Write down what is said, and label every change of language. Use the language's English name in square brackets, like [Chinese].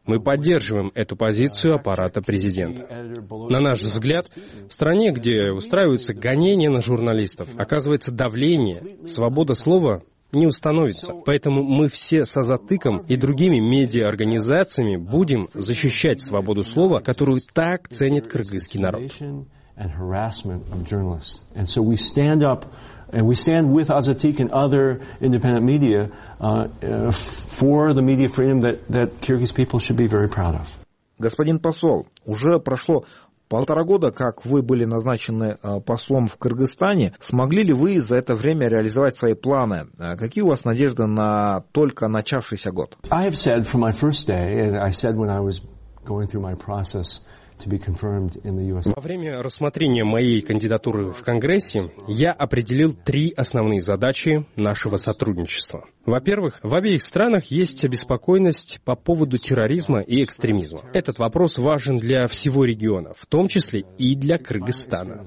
[Russian] Мы поддерживаем эту позицию аппарата президента. На наш взгляд, в стране, где устраиваются гонения на журналистов, оказывается давление, свобода слова не установится. Поэтому мы все с Азатыком и другими медиа-организациями будем защищать свободу слова, которую так ценит кыргызский народ. [English] And we stand with Azatik and other independent media for the media freedom that Kyrgyz people should be very proud of. [Russian] Господин посол, уже прошло полтора года, как вы были назначены послом в Кыргызстане. Смогли ли вы за это время реализовать свои планы? Какие у вас надежды на только начавшийся год? [English] I have said from my first day, and I said when I was going through my process. [Russian] Во время рассмотрения моей кандидатуры в Конгрессе я определил три основные задачи нашего сотрудничества. Во-первых, в обеих странах есть обеспокоенность по поводу терроризма и экстремизма. Этот вопрос важен для всего региона, в том числе и для Кыргызстана.